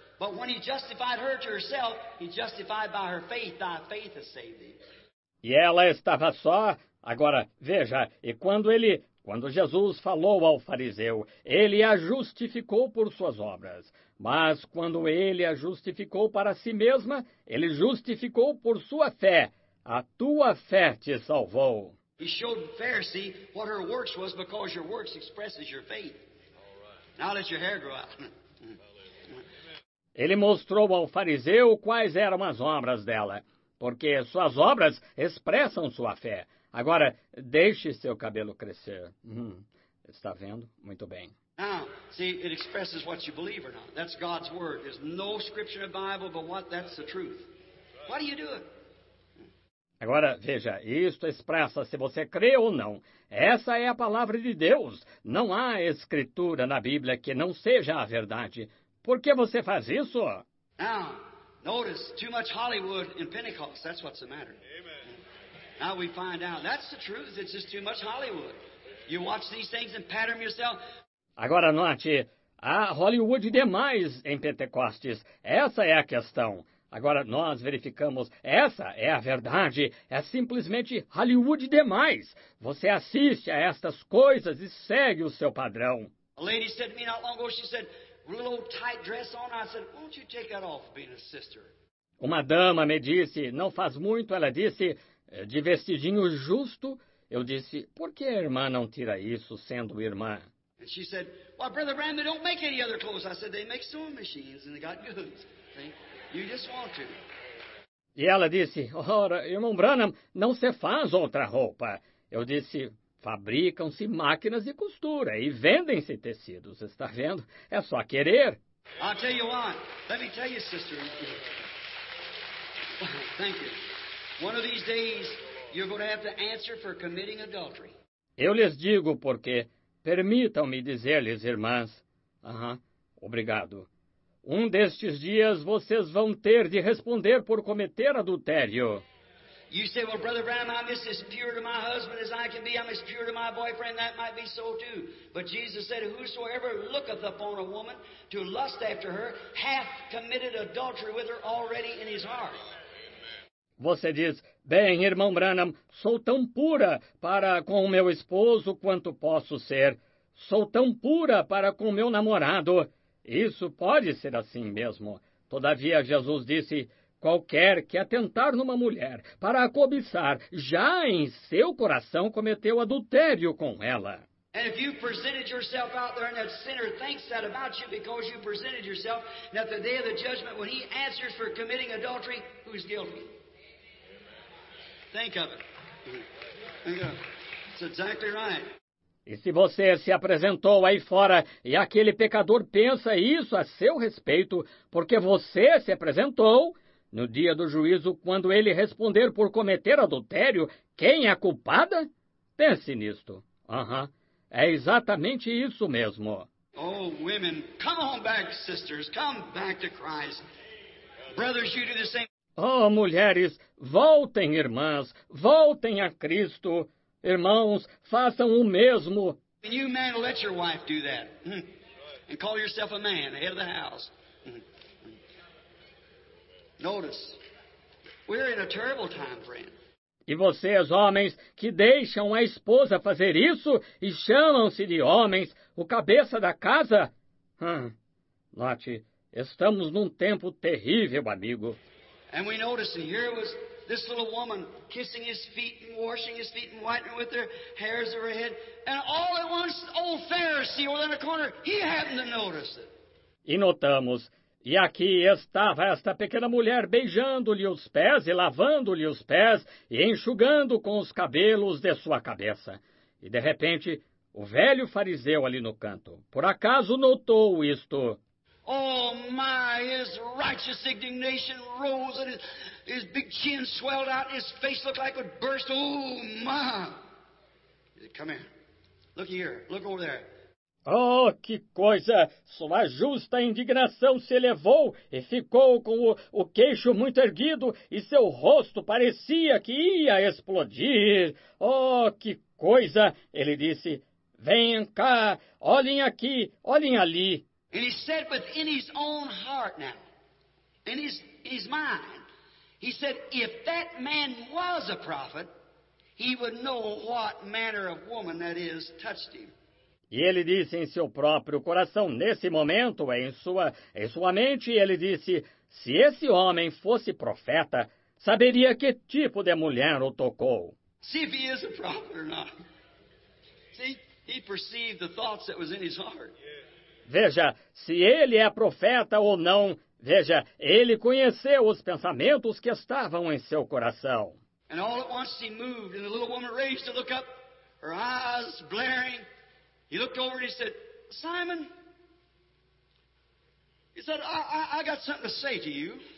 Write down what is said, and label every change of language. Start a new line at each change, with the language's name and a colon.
English: But when he justified her to herself, he justified by her faith, thy faith has saved thee.
Portuguese: E ela estava só, Agora, veja, e quando Jesus falou ao fariseu, ele a justificou por suas obras. Mas quando ele a justificou para si mesma, ele justificou por sua fé. A tua fé te salvou.
English: He showed the Pharisee what her works was because your works expresses your faith. Now let your hair grow out.
Portuguese: Ele mostrou ao fariseu quais eram as obras dela, porque suas obras expressam sua fé. Agora, deixe seu cabelo crescer. Está vendo? Muito bem.
English: Now, see, it expresses what you believe or not. That's God's word. There's no scripture in the Bible, but what? That's the truth. Why do you do it?
Portuguese: Agora, veja, isto expressa se você crê ou não. Essa é a palavra de Deus. Não há escritura na Bíblia que não seja a verdade. Por que você faz isso?
English: Now, notice, too much Hollywood in Pentecost. That's what's the matter. Amen. Now we find out. That's the truth. It's just too much Hollywood. You watch these things and pattern yourself.
Portuguese: Agora note, há Hollywood demais em Pentecostes. Essa é a questão. Agora nós verificamos, essa é a verdade, é simplesmente Hollywood demais. Você assiste a estas coisas e segue o seu padrão.
English: A lady said to me not long ago, she said, real old tight dress on. I said, won't you take that off being a sister?
Portuguese: Uma dama me disse, não faz muito, ela disse, de vestidinho justo. Eu disse, por que a irmã não tira isso sendo irmã?
English: And she said, well, Brother Bram, they don't make any other clothes. I said, they make sewing machines and they got goods. You just want to.
Portuguese: E ela disse, ora, irmão Branham, não se faz outra roupa. Eu disse, fabricam-se máquinas de costura e vendem-se tecidos, está vendo? É só querer.
English: I'll tell you what, let me tell you, sister. Thank you. One of these days, you're going to have to answer for committing adultery.
Portuguese: Eu lhes digo porque, permitam-me dizer-lhes, irmãs. Obrigado. Um destes dias vocês vão ter de responder por cometer adultério.
English: You say, well, Brother Bram, I'm just as pure to my husband as I can be. I'm as pure to my boyfriend. That might be so too. But Jesus said, whosoever looketh upon a woman to lust after her hath committed adultery with her already in his heart.
Portuguese: Você diz, bem, irmão Branham, sou tão pura para com o meu esposo quanto posso ser. Sou tão pura para com o meu namorado. Isso pode ser assim mesmo. Todavia, Jesus disse, qualquer que atentar numa mulher para a cobiçar, já em seu coração cometeu adultério com ela.
English: And if you presented yourself out there and that sinner thinks that about you because you presented yourself, and at the day of the judgment, when he answers for committing adultery, who's guilty? Think of it. That's exactly right.
Portuguese: E se você se apresentou aí fora e aquele pecador pensa isso a seu respeito, porque você se apresentou, no dia do juízo, quando ele responder por cometer adultério, quem é a culpada? Pense nisto. É exatamente isso mesmo.
English: Oh, women, come on back, sisters, come back to Christ. Brothers, you do the same.
Portuguese: Oh, mulheres, voltem, irmãs, voltem a Cristo. Irmãos, façam o mesmo.
English: And you men, let your wife do that. And call yourself a man, head of the house. Notice, we're in a terrible time, friend.
Portuguese: E vocês, homens, que deixam a esposa fazer isso e chamam-se de homens, o cabeça da casa? Note, estamos num tempo terrível, amigo.
English: And we notice, and here was this little woman kissing his feet and washing his feet and whitening with her hairs of her head. And all at once, old Pharisee over in the corner, he happened to notice it.
Portuguese: E notamos, e aqui estava esta pequena mulher beijando-lhe os pés e lavando-lhe os pés e enxugando com os cabelos de sua cabeça. E de repente, o velho fariseu ali no canto, por acaso notou isto.
English: Oh, my, his righteous indignation rose and his big chin swelled out and his face looked like it would burst. Oh, my. Come here. Look here. Look over there.
Portuguese: Oh, que coisa! Sua justa indignação se elevou e ficou com o queixo muito erguido e seu rosto parecia que ia explodir. Oh, que coisa! Ele disse, venham cá, olhem aqui, olhem ali.
English: And he said within his own heart now, in his mind, he said, if that man was a prophet, He would know what manner of woman that is touched him.
Portuguese: E ele disse em seu próprio coração, nesse momento, em sua mente, ele disse, se esse homem fosse profeta, saberia que tipo de mulher o tocou.
English: See if he is a prophet or not. See, he perceived the thoughts that was in his heart.
Portuguese: Veja, se ele é profeta ou não, veja, ele conheceu os pensamentos que estavam em seu coração.
English: And all at once he moved, and the little woman raised to look up, her eyes blaring. He looked over and he said, Simon, he said, I got something to say to you.